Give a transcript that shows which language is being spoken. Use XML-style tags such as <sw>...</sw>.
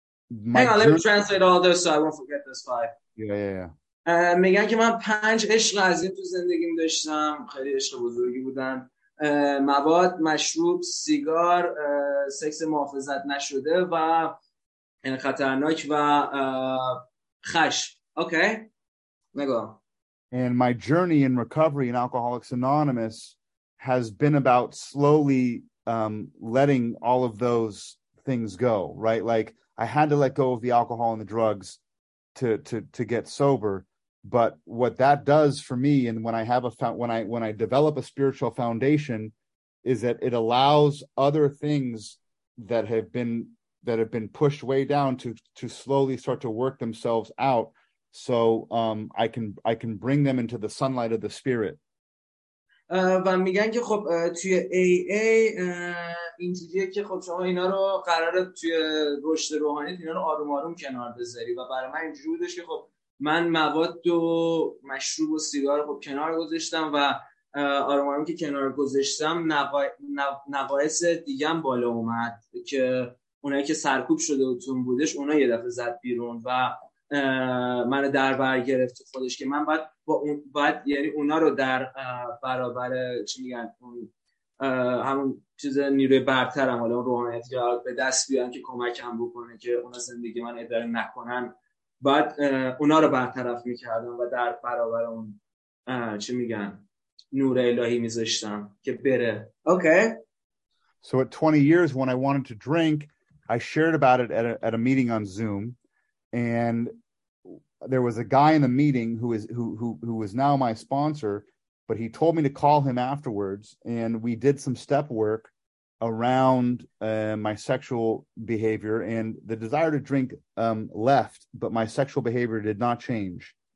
<en>my Hang on, let me translate all those so I won't forget those 5. Yeah.</en> <fa>میگن که من 5 عشق عظیم تو زندگیم داشتم، خیلی عشق بزرگی بودن. مواد، مشروب، سیگار، سکس محافظت نشده و خطرناک و خش. اوکی؟ نگو.</fa> <en>And my journey in recovery in Alcoholics Anonymous has been about slowly letting all of those things go, right? Like I had to let go of the alcohol and the drugs to get sober. But what that does for me, and when I develop a spiritual foundation, is that it allows other things that have been pushed way down to slowly start to work themselves out, so I can bring them into the sunlight of the spirit.</en> <fa>و میگن که خب توی AA اینجوریه که خب شما اینا رو قراره توی رشد روحانیت اینا رو آروم آروم کنار بذاری و برای من اینجوری بودش که خب من مواد و مشروب و سیگار خب کنار گذاشتم و آروم آروم که کنار گذاشتم نقایص دیگه هم بالا اومد که اونایی که سرکوب شده اتون بودش اونا یه دفعه زد بیرون و من رو در بر گرفت خودش که من باید با اون باید یعنی اونا رو در برابر چی میگن همون چیز نیروی برترم حالا اون روحانیت به دست بیارم که کمکم بکنه که اونا زندگی من اداره نکنن، بعد اونا رو برطرف میکردم و در برابر اون چی میگن نور الهی میذاشتم که بره.</fa> <en>Okay. So at 20 years when I wanted to drink, I shared about it at a meeting on Zoom, and there was a guy in the meeting who was now my sponsor, but he told me to call him afterwards, and we did some step work around my sexual behavior, and the desire to drink left, but my sexual behavior did not change.</en>